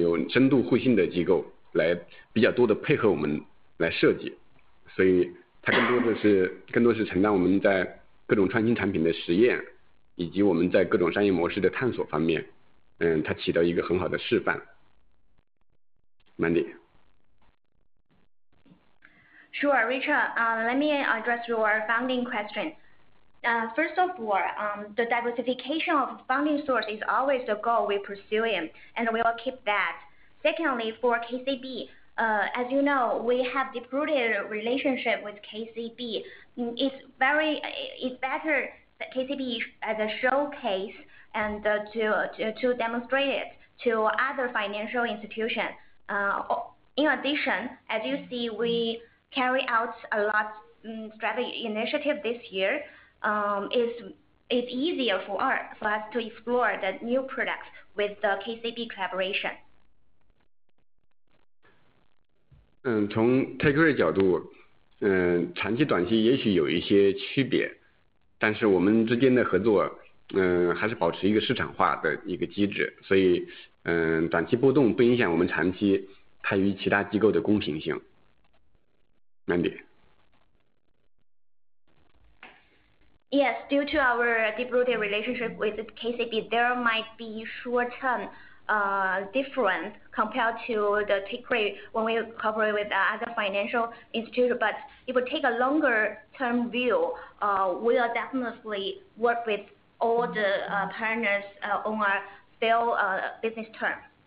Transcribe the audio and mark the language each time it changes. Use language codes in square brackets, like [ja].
[zh] 深度互信的机构来比较多的配合我们来设计，所以 它更多的是承担我们在各种创新产品的实验，以及我们在各种商业模式的探索方面，它起到一个很好的示范。Mandy. [en] Sure, Richard. Let me address your funding question. First of all, the diversification of funding source is always the goal we pursue, and we will keep that. Secondly, for KCB. As you know, we have deep-rooted relationship with KCB. It's better that KCB as a showcase and to demonstrate it to other financial institutions. In addition, as you see, we carry out a lot strategy initiative this year. It's easier for us to explore the new products with the KCB collaboration. [zh] 从 take rate 角度，长期短期也许有一些区别，但是我们之间的合作，还是保持一个市场化的一个机制，所以短期波动不影响我们长期它与其他机构的公平性。 [en] Mandy. Yes, due to our deep-rooted relationship with KCB, there might be short-term difference compared to the take rate when we cooperate with other financial institutions. But if we take a longer-term view, we will definitely work with all the partners on our sale business term.